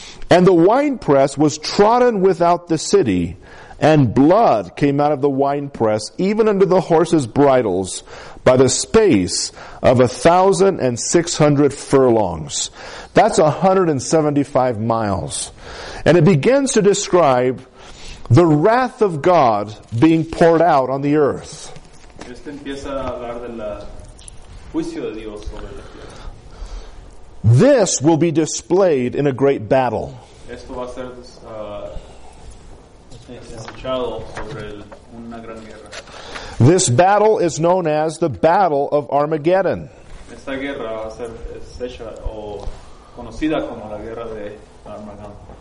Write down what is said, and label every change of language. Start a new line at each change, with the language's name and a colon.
English: And the winepress was trodden without the city, and blood came out of the winepress, even under the horses' bridles, by the space of 1,600 furlongs. That's 175 miles. And it begins to describe the wrath of God being poured out on the earth.
Spanish: Este empieza a hablar del juicio de Dios sobre la tierra.
English: This will be displayed in a great battle.
Spanish: Esto va a ser escuchado sobre una gran guerra.
English: This battle is known as the Battle of Armageddon.
Spanish: Esta guerra va a ser hecha o conocida como la guerra de Armageddon.